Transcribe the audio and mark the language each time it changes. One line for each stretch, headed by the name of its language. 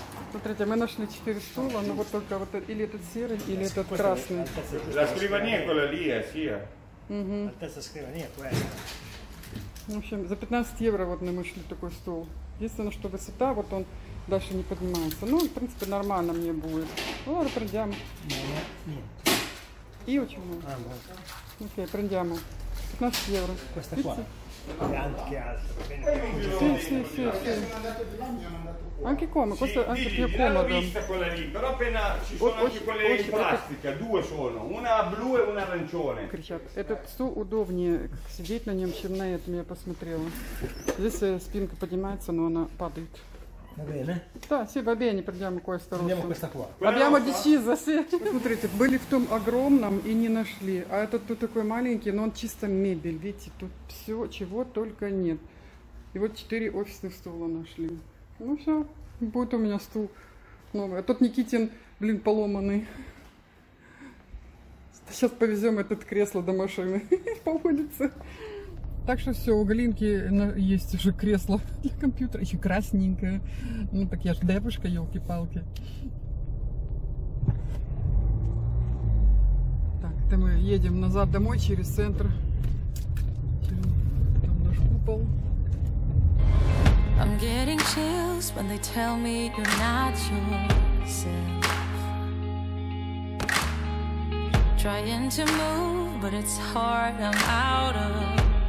Russian: Смотрите, мы нашли 4 стула, но вот только вот или этот серый, или этот красный.
Italian: La scrivania è quella lì, sì. Угу. Altezza scrivania quella.
Russian: В общем, за 15 евро вот мы нашли такой стул. Единственное, что высота, вот он дальше не поднимается. Ну, в принципе, нормально мне будет. Ну, ладно, пройдем. И почему?
Italian: Ok, prendiamo 15 euro. Questa qua. E anche altro. Sì, sì, sì, sì. Anche come? Questo è anche più comodo. Sì, vista quella lì, però appena ci sono anche quelle in plastica, due sono, una blu e una arancione.
Russian: Кричат, этот стул удобнее сидеть на нем, чем на этом, я посмотрела. Здесь спинка поднимается, но она падает.
Italian: Va bene?
Russian: Да,
Italian: sì, va bene, prendiamo questo. Prendiamo questa qua. Abbiamo deciso, sì.
Russian: Смотрите, были в том огромном и не нашли. А этот тут такой маленький, но он чисто мебель. Видите, тут все, чего только нет. И вот 4 офисных стула нашли. Ну все, будет у меня стул новый. А тут Никитин, блин, поломанный. Сейчас повезем этот кресло до машины по улице. Так что все, у Галинки есть уже кресло для компьютера, еще красненькое. Ну так я ж девушка, елки-палки. Так, это мы едем назад домой через центр. Там наш купол.
English: I'm getting chills when they tell me you're not yourself. Trying to move, but it's hard, I'm out of.